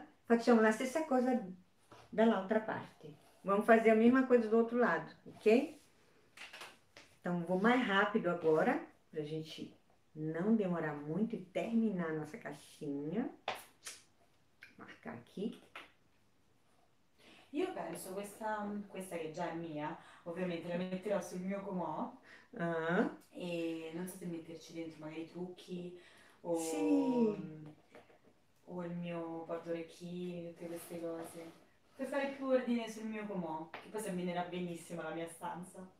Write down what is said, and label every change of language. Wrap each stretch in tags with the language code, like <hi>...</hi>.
<it>Facciamo la stessa cosa dall'altra parte.</it> <pt>Vamo</pt> <it>fare la stessa cosa</it> <pt>do outro lado, ok? Então vou mais rápido agora. Pra gente não demorar muito e terminar nossa caixinha. Marcar aqui.</pt> <it>Io penso questa che già è mia, ovviamente la metterò sul mio comò e non so se metterci dentro magari trucchi Sì. o il mio porto-orecchini, tutte queste cose. Per fare più ordine sul mio comò, che poi si abbinerà benissimo alla mia stanza.</it>